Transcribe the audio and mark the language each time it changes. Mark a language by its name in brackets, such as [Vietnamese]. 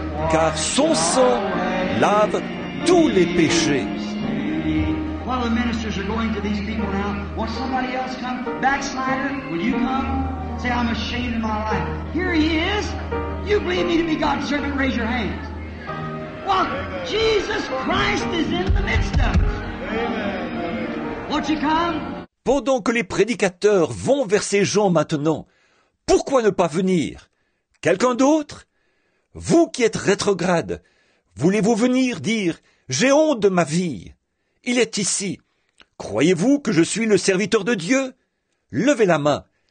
[French] Car son sang lave tous les péchés. [English] While the ministers are going to these people now, won't somebody else come? Backslider, will you come? Say, I'm ashamed of my life. Here he is. You believe me to be God's servant? Raise your hands. Well, Jesus Christ is in the midst of us. Won't you come? [French] Pendant que les prédicateurs vont vers ces gens maintenant, pourquoi ne pas venir? Quelqu'un d'autre? Vous qui êtes rétrograde, voulez-vous venir dire, j'ai honte de ma vie? Il est ici. Croyez-vous que je suis le serviteur de Dieu? Levez la main.